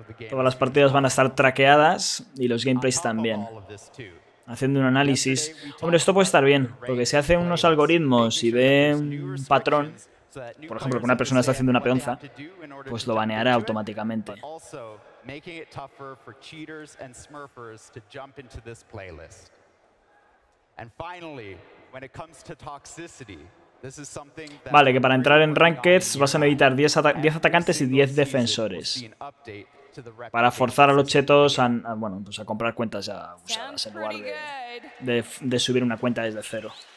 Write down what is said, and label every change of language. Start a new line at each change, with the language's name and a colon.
Spanish: Todas las partidas van a estar traqueadas y los gameplays también. Haciendo un análisis. Hombre, esto puede estar bien, porque si hace unos algoritmos y ve un patrón, por ejemplo, que una persona está haciendo una peonza, pues lo baneará automáticamente.
English: Making it tougher for cheaters and smurfers to jump into this playlist. And finally, when it comes to toxicity, this is something that...
Spanish: Vale, que para entrar en rankeds vas a necesitar 10 atacantes y 10 defensores. Para forzar a los chetos a comprar cuentas ya usadas en lugar de subir una cuenta desde cero.